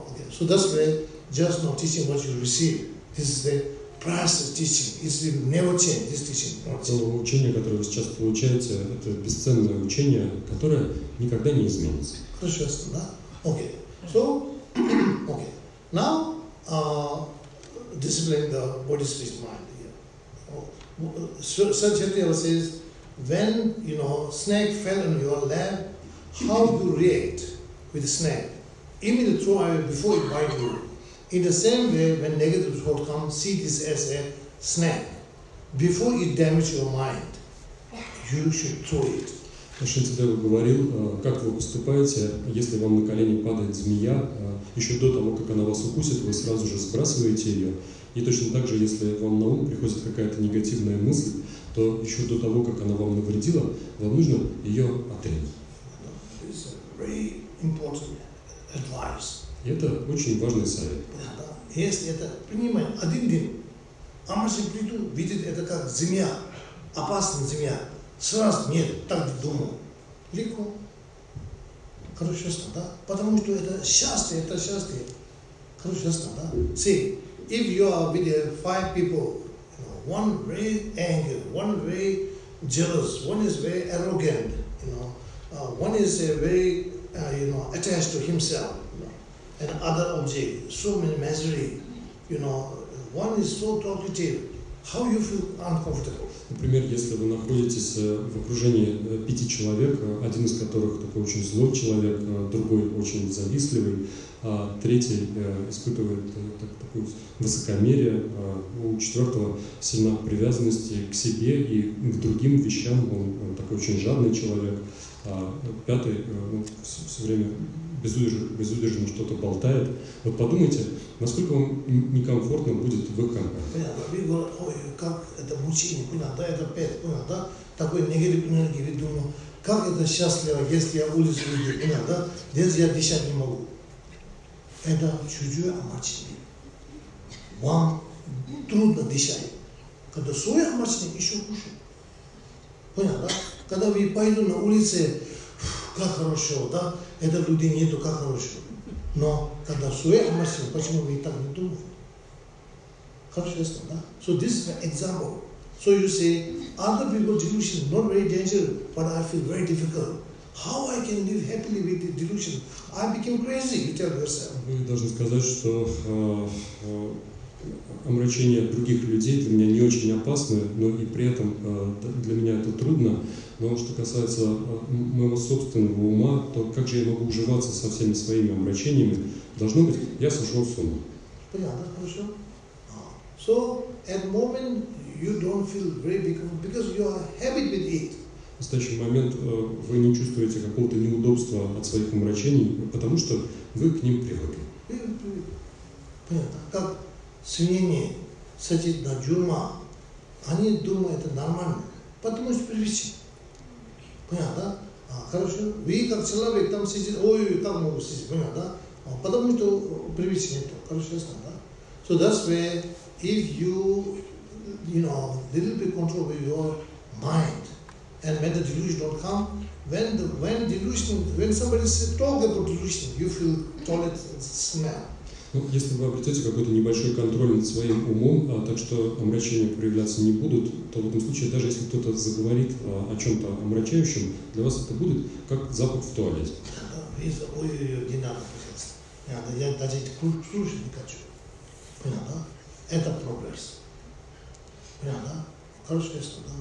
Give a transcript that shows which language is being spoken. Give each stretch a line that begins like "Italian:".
English: So that's where, just not teaching what you receive. This is the priceless teaching. It's the never change, this teaching.
Russian: То учение, которое вы сейчас получаете, это бесценное учение, которое никогда не изменится. Хорошо, ясно, да?
English: Okay. So, okay. Now, discipline the Bodhisattva's mind. Sri Chaitanya says, when, you know, snake fell on your lap, how do you react with the snake? Even the throw away before it bite you. In the same way, when negative thought comes, see this as a snack. Before it damage your mind, you should throw it.
Russian: Шри Цитава говорил, как вы поступаете, если вам на колени падает змея, еще до того, как она вас укусит, вы сразу же сбрасываете ее. И точно так же, если вам на ум приходит какая-то негативная мысль, то еще до того, как она вам навредила, вам нужно ее отринуть.
English: It's a very important advice.
Russian: И это очень важный совет. Если это принимаем один день, а мысли придут, видят это как змея, опасная змея. Сразу нет, так думал. Легко. Хорошо, ясно, да? Потому что это счастье. Хорошо, ясно, да?
English: See, if you are with five people, you know, one very angry, one very jealous, one is very arrogant, you know, one is very, you know, attached to himself, you know, and other object, so many misery, you know, one is so talkative, how you feel uncomfortable?
Russian: Например, если вы находитесь в окружении пяти человек, один из которых такой очень злой человек, другой очень завистливый, а третий испытывает такую высокомерие, у четвертого сильна привязанность к себе и к другим вещам, он такой очень жадный человек, а пятый все время безудержно что-то болтает. Вот подумайте, насколько вам некомфортно будет в ВК. Понятно. Вы говорите, ой, как это мучение, понятно, да, это пять, понятно, да? Такой негатив энергии, вы думаете, как это счастливо, если я улицу выйду, понятно, да? Здесь я дышать не могу. Это чужое омрачение. Вам трудно дышать. Когда свое омрачение, еще хуже. Понятно, да? Когда вы пойду на улице, как хорошо, да? Это люди нету, как хорошо. Но когда свое омрачение, почему вы так не думаете? Хорошо, ясно, да?
English: So this is an example. So you say, other people's delusion not very dangerous, but I feel very difficult. How I can live happily with the delusion? I became crazy, you tell yourself.
Russian: Вы должны сказать, что омрачение других людей для меня не очень опасно, но и при этом для меня это трудно. Но что касается моего собственного ума, то как же я могу уживаться со всеми своими омрачениями? Должно быть, я сошел с ума. Понятно, хорошо.
English: So, at the moment, you don't feel very big, because you are happy with it.
Russian: В настоящий момент вы не чувствуете какого-то неудобства от своих омрачений, потому что вы к ним привыкли. Понятно. Как свиньи, садит на дюрма, они думают, это нормально, потому что привычки. Понятно, да? Хорошо. Вы как человек там сидит, ой, там могут сидеть, понятно, да? Потому что привычки нету. Хорошо, ясно, да?
English: So that's where, if you know, little bit control with your mind, and when the delusion don't come, when delusion, when somebody talk about delusion, you feel toilet smell.
Russian: Ну, если вы обретете какой-то небольшой контроль над своим умом, так что омрачения проявляться не будут, то в этом случае, даже если кто-то заговорит о чем-то омрачающем, для вас это будет как запах в туалете. Ой-ой-ой, не надо, пожалуйста. Я даже слушать не хочу. Понятно, да? Это прогресс. Понятно, да? Хорошо, ясно, да?